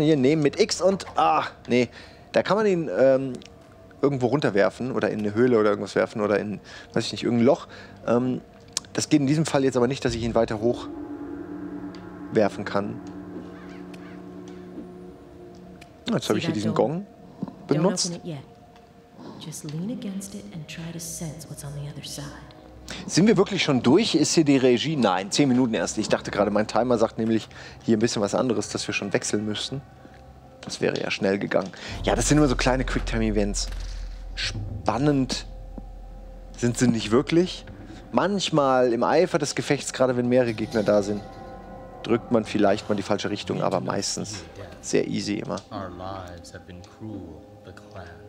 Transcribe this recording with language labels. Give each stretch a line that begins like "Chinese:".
German: Hier, nehmen mit X und, ach, nee. Da kann man ihn irgendwo runterwerfen oder in eine Höhle oder irgendwas werfen oder in, weiß ich nicht, irgendein Loch. Das geht in diesem Fall jetzt aber nicht, dass ich ihn weiter hoch werfen kann. Jetzt habe ich hier diesen Gong benutzt.
English: Just lean against it and try to sense what's on the other side.
German: Sind wir wirklich schon durch? Ist hier die Regie? Nein, 10 Minuten erst. Ich dachte gerade, mein Timer sagt nämlich hier ein bisschen was anderes, dass wir schon wechseln müssten. Das wäre ja schnell gegangen. Ja, das sind nur so kleine Quicktime-Events. Spannend sind sie nicht wirklich. Manchmal im Eifer des Gefechts, gerade wenn mehrere Gegner da sind, drückt man vielleicht mal die falsche Richtung, aber meistens sehr easy immer.
English: Our lives have been cruel, the clan.